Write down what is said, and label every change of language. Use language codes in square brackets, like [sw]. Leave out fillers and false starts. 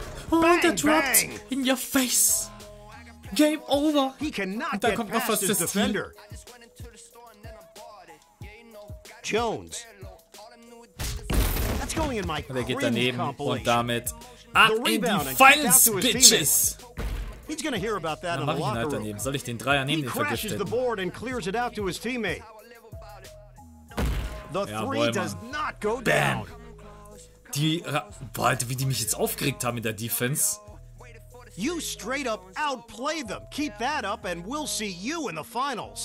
[de] Und der droppt [en] in your face. Game over. [de] Und da kommt noch fast das [en] Defender. Jones. That's going in my [de] und er geht daneben und damit ab in die Finals, Bitches. [en] He's gonna hear about that. [de] Dann mach ich ihn halt daneben. Soll ich den Dreier nehmen, den vergiftet? [en] The board and clears it out to his teammate. The three does not go down. Bam. [de] Die, boah, wie die mich jetzt aufgeregt haben in der Defense. [en] You straight up outplay them. Keep that up and we'll see you in the finals.